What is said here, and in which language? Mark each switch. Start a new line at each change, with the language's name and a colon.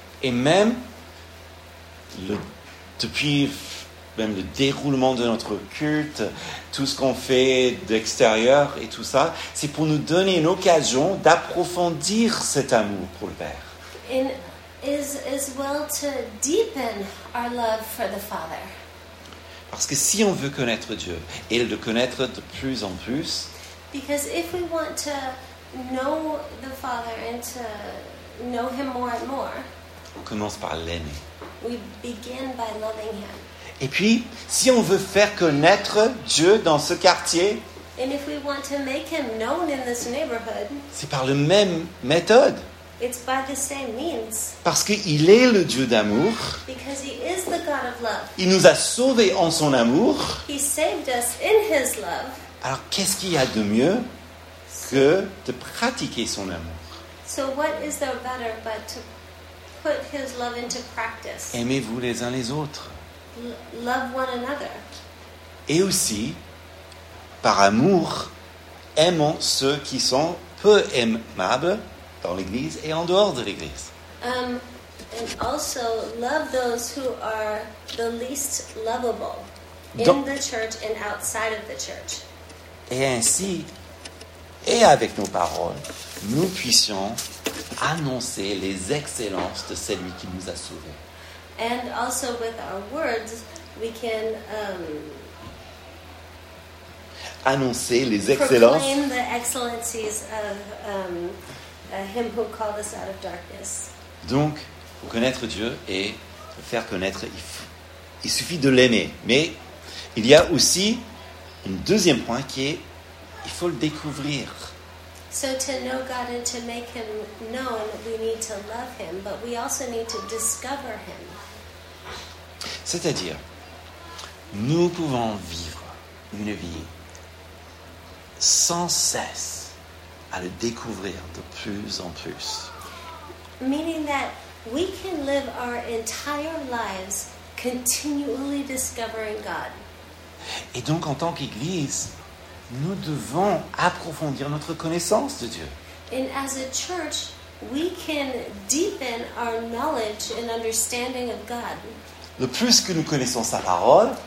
French: Et même depuis le déroulement de notre culte, tout ce qu'on fait d'extérieur et tout ça, c'est pour nous donner une occasion d'approfondir cet amour pour le Père.
English: And is as well to deepen our love for the Father.
French: Parce que si on veut connaître Dieu et le connaître de plus en plus,
English: because if we want to know the Father and to know him more and more.
French: On commence par l'aimer.
English: We begin by loving him.
French: Et puis, si on veut faire connaître Dieu dans ce quartier,
English: and if we want to make him known in this neighborhood,
French: c'est par la même méthode.
English: It's by the same means.
French: Parce qu'il est le Dieu d'amour.
English: Because he is the God of love.
French: Il nous a sauvés en son amour.
English: He saved us in his love.
French: Alors, qu'est-ce qu'il y a de mieux que de pratiquer son amour?
English: So what is there better but to put his love into practice?
French: Aimez-vous les uns les autres.
English: Love one another.
French: Et aussi, par amour, aimons ceux qui sont peu aimables dans l'Église et en dehors de l'Église.
English: And also, love those who are the least lovable in
French: Donc,
English: the church and outside of the church.
French: Et ainsi, et avec nos paroles, nous puissions annoncer les excellences de celui qui nous a sauvés.
English: And also with our words, we can
French: annoncer les excellences.
English: Proclaim the excellencies of him who called us out of darkness.
French: Donc, pour connaître Dieu et le faire connaître, il suffit de l'aimer. Mais il y a aussi un deuxième point qui est, il faut le découvrir.
English: So to know God and to make him known, we need to love him, but we also need to discover him.
French: C'est-à-dire, nous pouvons vivre une vie sans cesse à le découvrir de plus en plus.
English: Meaning that we can live our entire lives continually discovering God.
French: Et donc, en tant qu'Église, nous devons approfondir notre connaissance de Dieu.
English: And as a church, we can deepen our knowledge and understanding of God.
French: Le plus que nous connaissons sa parole,